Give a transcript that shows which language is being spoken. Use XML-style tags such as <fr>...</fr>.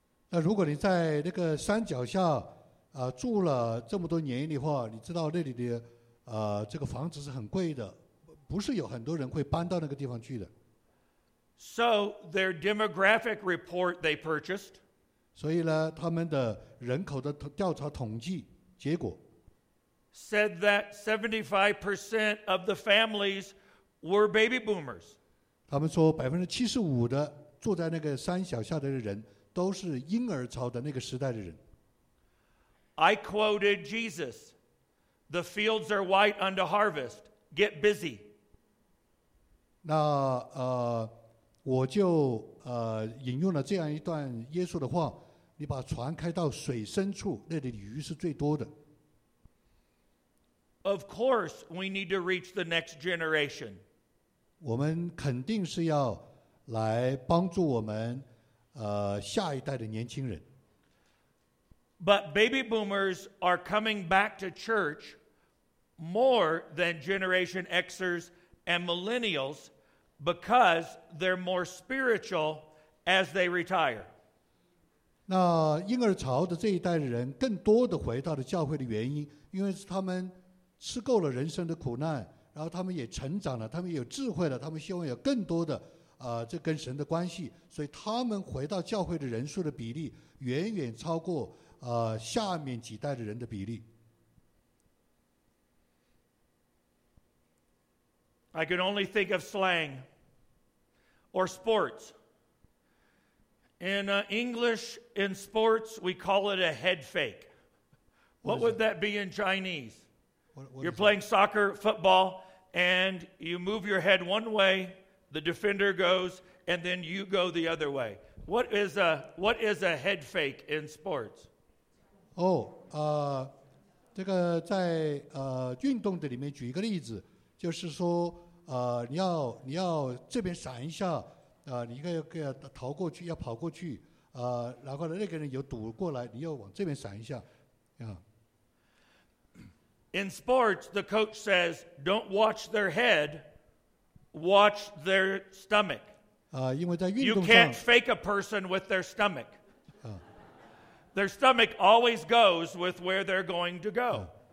<zh>那如果你在那个山脚下住了这么多年的话，你知道那里的这个房子是很贵的，不是有很多人会搬到那个地方去的。</zh> <en>So their demographic report they purchased.</en> <zh>所以呢，他们的人口的调查统计结果</zh> <en>said that 75% of the families were baby boomers.</en> <zh>他们说75%的住在那个山脚下的人都是婴儿潮的那个时代的人。</zh> <en>I quoted Jesus. The fields are white unto harvest. Get busy.</en> <zh>那我就引用了这样一段耶稣的话，你把船开到水深处，那里鱼是最多的。</zh> <en>Of course, we need to reach the next generation.</en> <zh>我们肯定是要来帮助我们下一代的年轻人。</zh> <en>But baby boomers are coming back to church. More than Generation Xers and Millennials, because they're more spiritual as they retire.</en> <zh>那婴儿潮的这一代人更多的回到了教会的原因，因为是他们吃够了人生的苦难，然后他们也成长了，他们有智慧了，他们希望有更多的这跟神的关系，所以他们回到教会的人数的比例远远超过下面几代的人的比例。</zh> <en>I can only think of slang or sports. In English, in sports, we call it a head fake. What would that be in Chinese? You're playing soccer, football, and you move your head one way, the defender goes, and then you go the other way. What is a head fake in sports?</en> <zh>Oh, 这个在运动的里面举一个例子，就是说。你要这边闪一下，你应该要给他逃过去，要跑过去，然后呢，那个人又堵过来，你要往这边闪一下，啊。</zh> <en>In sports, the coach says, "Don't watch their head, watch their stomach."</en> <zh>因为在运动上</zh> <en>，You can't fake a person with their stomach. Their stomach always goes with where they're going to go.</en>